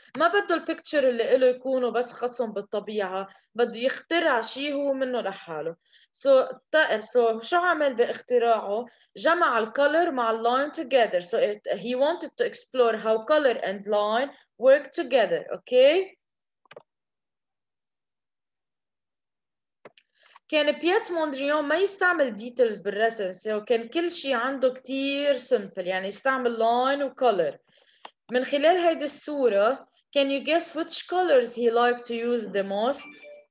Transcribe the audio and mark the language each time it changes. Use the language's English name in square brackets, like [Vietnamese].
[Arabic] ما بده البيكتشر اللي له يكونوا بس خصم بالطبيعه, بده يخترع شيء هو منه لحاله. So شو عمل باختراعه؟ جمع الكولر مع اللاين together. [English] So he wanted to explore how color and line work together, okay? [Arabic] كان Piet Mondrian ما يستعمل details بالرسم, so كان كل شيء عنده كتير simple, يعني يستعمل line وcolor. من خلال هيدي الصورة, [English] can you guess which colors he liked to use the most?